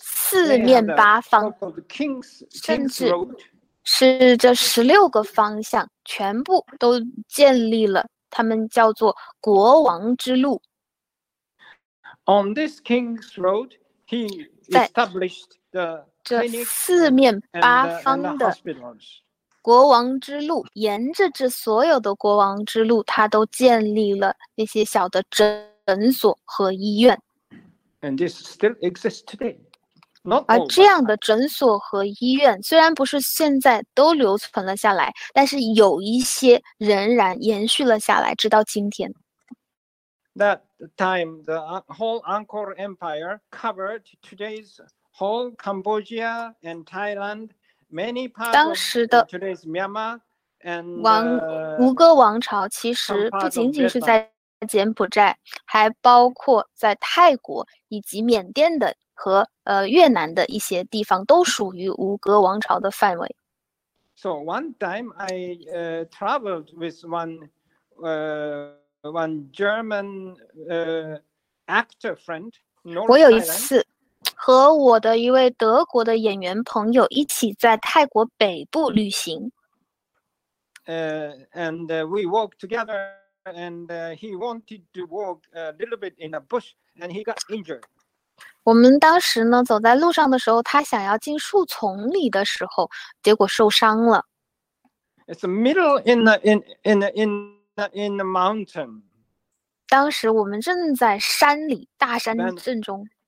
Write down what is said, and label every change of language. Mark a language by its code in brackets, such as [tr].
[zh] 四面八方，甚至是这十六个方向全部都建立了，他们叫做国王之路。 [en] On this king's road, he established the clinic and the hospitals. [zh] 国王之路，沿着这所有的国王之路，他都建立了那些小的诊所和医院。 [en] And this still exists today. [zh] 而这样的诊所和医院，虽然不是现在都留存了下来，但是有一些仍然延续了下来，直到今天。 [en] That time, the whole Angkor Empire covered today's whole Cambodia and Thailand, many parts of today's Myanmar, and [zh] 吴哥王朝其实不仅仅是在柬埔寨，还包括在泰国以及缅甸的和越南的一些地方都属于吴哥王朝的范围。 [en] So one time I traveled with one German actor friend. [zh] 我有一次和我的一位德国的演员朋友一起在泰国北部旅行。 [en] And we walked together, and he wanted to walk a little bit in a bush, and he got injured. [zh] 我们当时呢，走在路上的时候，他想要进树丛里的时候，结果受伤了。 [en] It's the middle in the mountain. [zh] 当时我们正在山里，大山正中。